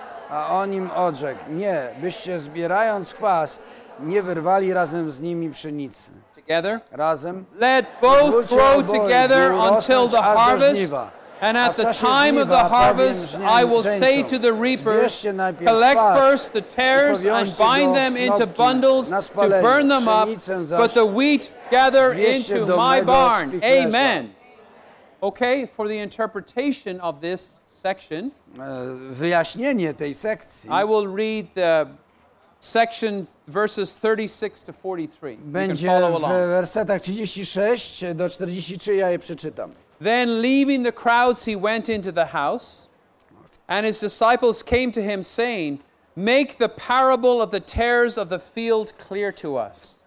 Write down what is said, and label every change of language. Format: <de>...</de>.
<pl>A on im odrzekł, nie, byście zbierając chwast, nie wyrwali razem z nimi pszenicy. Razem.</pl> <en>Let both grow together until the harvest. And at the time of the harvest, I will say to the reapers, collect first the tares and bind them into bundles to burn them up, but the wheat gather into my barn. Amen. Okay, for the interpretation of this section,</en> <pl>wyjaśnienie tej sekcji,</pl> <en>I will read the section verses 36 to 43.</en> <pl>Będzie w wersetach 36 do 43, ja je przeczytam.</pl> <en>Then leaving the crowds, he went into the house, and his disciples came to him, saying, make the parable of the tares of the field clear to us.</en>